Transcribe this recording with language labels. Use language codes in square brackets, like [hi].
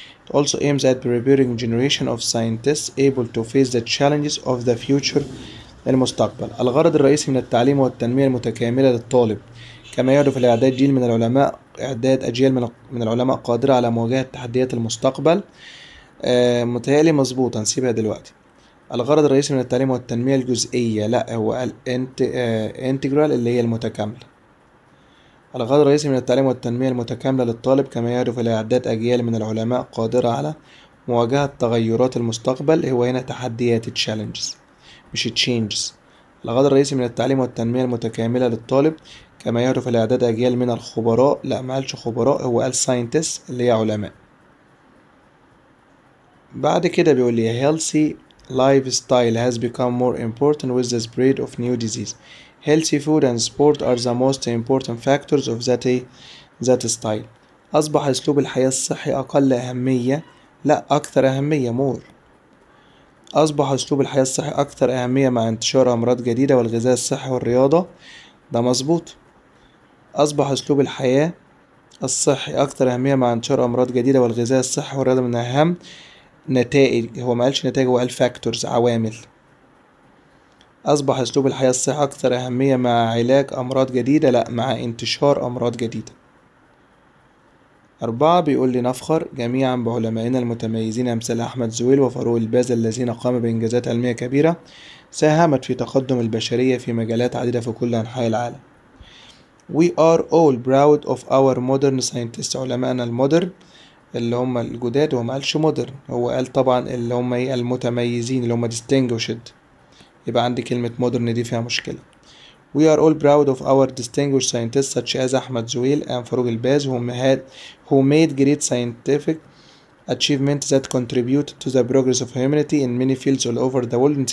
[en] It also aims at preparing generation of scientists able to face the challenges of the future [ar] المستقبل. الغرض الرئيسي من التعليم هو التنمية المتكاملة للطالب كما يعرف الإعداد جيل من العلماء إعداد أجيال من العلماء قادرة على مواجهة تحديات المستقبل. متهيألي مظبوط هنسيبها دلوقتي. الغرض الرئيسي من التعليم هو التنمية الجزئية. لا هو قال [en] integral [ar] اللي هي المتكاملة. الغرض الرئيسي من التعليم هو التنمية المتكاملة للطالب كما يعرف الإعداد أجيال من العلماء قادرة على مواجهة تغيرات المستقبل. هو هنا تحديات [en] challenges [ar] مش [en] changes. [ar] الغرض الرئيسي من التعليم هو التنمية المتكاملة للطالب كما يعرف الإعداد أجيال من الخبراء. لا ما قالش خبراء هو قال [en] scientists [ar] اللي هي علماء. بعد كده بيقول لي [en] healthy lifestyle has become more important with the spread of new disease. Healthy food and sport are the most important factors of that style. [ar] أصبح أسلوب الحياة الصحي أقل أهمية. لا أكثر أهمية [en] more. [ar] أصبح أسلوب الحياة الصحي أكثر أهمية مع انتشار أمراض جديدة والغذاء الصحي والرياضة. ده مظبوط. أصبح أسلوب الحياة الصحي أكثر أهمية مع انتشار أمراض جديدة والغذاء الصحي والرياضة من أهم نتائج. هو ما قالش نتائج هو قال [en] factors [ar] عوامل. أصبح أسلوب الحياة الصحي أكثر أهمية مع علاج أمراض جديدة. لا مع انتشار أمراض جديدة. أربعة بيقول لي نفخر جميعا بعلمائنا المتميزين أمثال أحمد زويل وفاروق الباز الذين قاموا بإنجازات علمية كبيرة ساهمت في تقدم البشرية في مجالات عديدة في كل أنحاء العالم. [en] We are all proud of our modern scientists. [ar] علماءنا المودرن اللي هم الجداد. هو ما قالش مودرن هو قال طبعا اللي هم المتميزين اللي هم [en] distinguished. [ar] يبقى عندي كلمة مودرن دي فيها مشكلة. [en] We are all proud of our distinguished scientists such as Ahmed Zewail and Farouk Elbaz who made great scientific achievements that contributed to the progress of humanity in many fields all over the world.